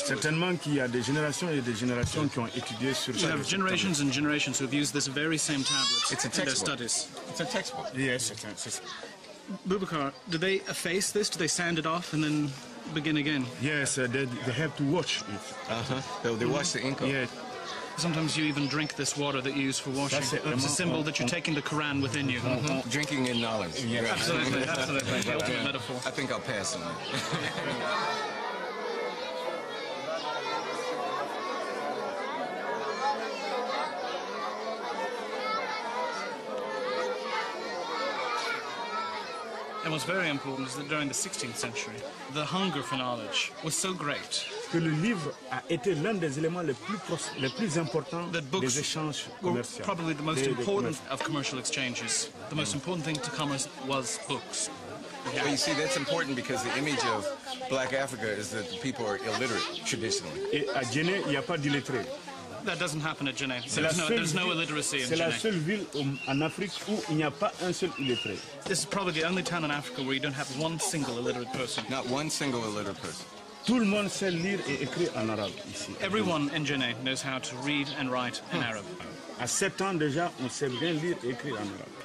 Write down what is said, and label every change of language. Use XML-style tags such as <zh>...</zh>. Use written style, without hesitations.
<fr>Certainement qu'il y a des générations et des générations qui ont étudié sur.</fr> <en>You have generations and generations who have used this very same tablet. It's a textbook. In their studies. It's a textbook. Yes, it's. Boubacar, do they efface this? Do they sand it off and then begin again? Yes, they have to wash it. Uh-huh. So they wash the ink off. Yeah. Sometimes you even drink this water that you use for washing. It's a symbol that you're taking the Quran within you. Mm-hmm. Mm-hmm. Drinking in knowledge. Yeah. Absolutely, absolutely. The ultimate metaphor. I think I'll pass on it. And what's very important is that during the 16th century, the hunger for knowledge was so great.</en> <fr>Que le livre a été l'un des éléments les plus importants des échanges commerciaux.</fr> <en>Probably the most important of commercial exchanges. The most important thing to commerce was books. Yeah. Well, you see, that's important because the image of Black Africa is that the people are illiterate traditionally.</en> <fr>Et à Djenne, il n'y a pas d'illettré.</fr> <en>That doesn't happen at Djenne. There's no illiteracy in Djenne.</en> <fr>C'est la seule ville en Afrique où il n'y a pas un seul illettré.</fr> <en>This is probably the only town in Africa where you don't have one single illiterate person. Not one single illiterate person.</en> <fr>Tout le monde sait lire et écrire en arabe ici.</fr> <en>Everyone in Djenne knows how to read and write in Arab.</en> <fr>À 7 ans déjà, on sait bien lire et écrire en arabe.</fr>